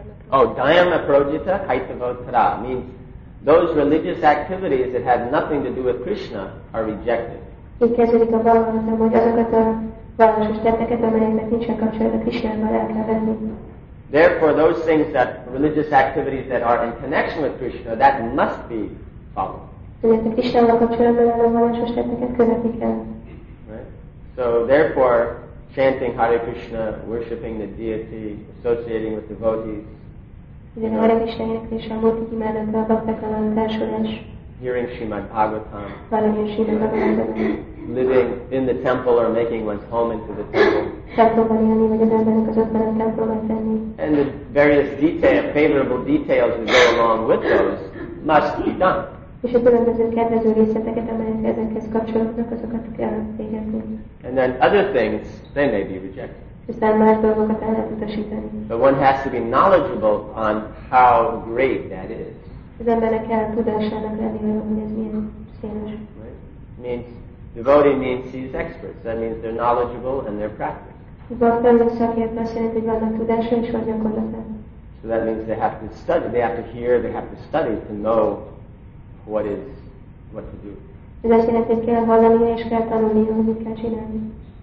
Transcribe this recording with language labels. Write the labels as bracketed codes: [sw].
[en] Dharma Projita Kaitava Tara means those religious activities that have nothing to do with Krishna are rejected. [hu] Így kezdődik a Bhagavatam, hogy azokat a vallásos tetteket, amelyeknek nincsen kapcsolatban Krishnával, el kell venni. [en] Therefore, those things that religious activities that are in connection with Krishna, that must be followed. Right? So, therefore, chanting Hare Krishna, worshipping the deity, associating with devotees, hearing Srimad Bhagavatam, living in the temple or making one's home into the temple, and the various detail, favorable details that go along with those must be done. And then other things, they may be rejected. But one has to be knowledgeable on how great that is. [hu] Az embernek kell tudásának lenni, hogy ez milyen széles. [en] Right. Means devotee means he's experts. That means they're knowledgeable and they're practiced. [hu] Bhakta az szakértő, azt jelenti, hogy vannak tudása és van gyakorlata. [en] So that means they have to study, they have to hear, they have to study to know what to do. [hu] Ez azt jelenti, hogy kell hallani és kell tanulni, hogy mit kell csinálni.